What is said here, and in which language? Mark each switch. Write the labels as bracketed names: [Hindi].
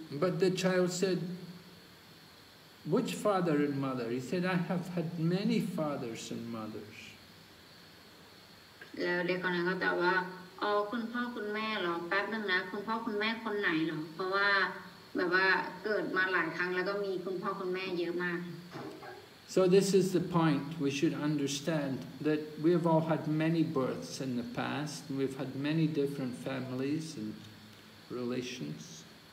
[English] But the child said, which father and mother? He said, I have had many fathers and mothers. [Thai] แล้วเด็กคนนั้นก็ตอบว่าอ๋อคุณพ่อคุณแม่หรอแป๊บนึงนะคุณพ่อคุณแม่คนไหนหรอเพราะว่าแบบว่าเกิดมาหลายครั้งแล้วก็มีคุณพ่อคุณแม่เยอะมาก [English] So this is the point we should understand, that we have all had many births in the past, and we've had many different families and relations.